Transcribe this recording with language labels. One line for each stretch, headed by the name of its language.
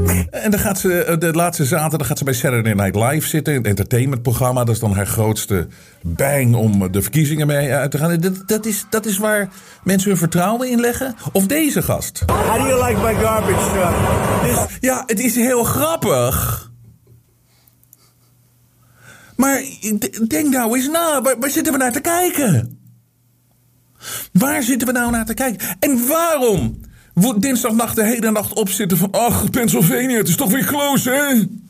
Dutch: En dan gaat ze de laatste zaterdag gaat ze bij Saturday Night Live zitten, het entertainmentprogramma. Dat is dan haar grootste bang om de verkiezingen mee uit te gaan. Dat is waar mensen hun vertrouwen in leggen. Of deze gast.
English: How do you like my garbage truck?
Dutch: Ja, het is heel grappig. Maar denk nou eens na, waar zitten we naar te kijken? Waar zitten we nou naar te kijken? En waarom? Dinsdagnacht de hele nacht opzitten van, ach, Pennsylvania, het is toch weer close, hè?